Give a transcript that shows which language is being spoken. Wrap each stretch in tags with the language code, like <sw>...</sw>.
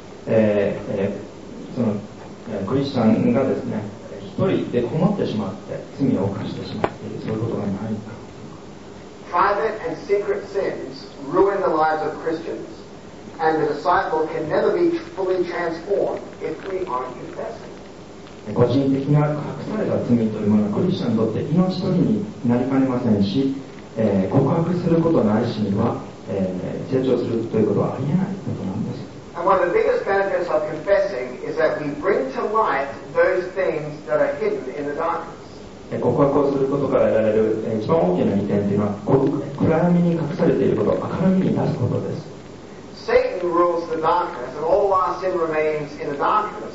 <ja>そのクリスチャンがですね、一人でこもってしまって罪を犯してしまっている、そういうことがないか。</ja> <en>Private and secret sins ruin the lives of Christians, and the disciple can never be fully transformed if we aren't confessing.</en> <ja>個人的な隠された罪というものはクリスチャンにとって命取りになりかねませんし、告白することないしには、成長するということはありえないことなんです。</ja> <en>And one of the biggest benefits of confessing is that we bring to light those things that are hidden in the darkness.</en> <ja>告白をすることから得られる一番大きな利点というのは、暗闇に隠されていることを明るみに出すことです。</ja> <en>Satan rules the darkness and all our sin remains in the darkness.</en>